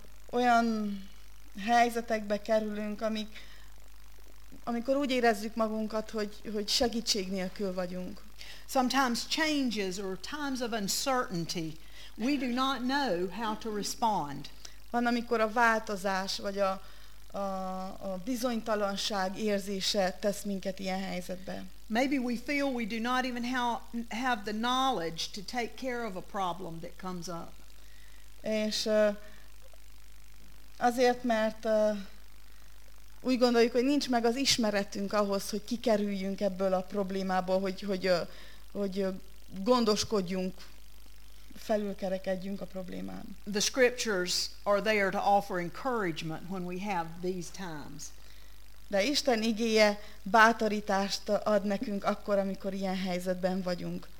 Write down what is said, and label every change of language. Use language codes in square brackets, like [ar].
[hu] Olyan helyzetekbe kerülünk, amikor úgy érezzük magunkat, hogy segítség nélkül vagyunk. [en] Sometimes changes or times of uncertainty. We do not know how to respond. [hu] Van, amikor a változás, vagy a bizonytalanság érzése tesz minket ilyen helyzetbe. [en] Maybe we feel we do not even have the knowledge to take care of a problem that comes up. [hu] És azért, mert úgy gondoljuk, hogy nincs meg az ismeretünk ahhoz, hogy kikerüljünk ebből a problémából, hogy gondoskodjunk, felülkerekedjünk a problémán. [en] The scriptures are there to offer encouragement when we have these times. [hu] De Isten igéje bátorítást ad nekünk akkor, amikor ilyen helyzetben vagyunk.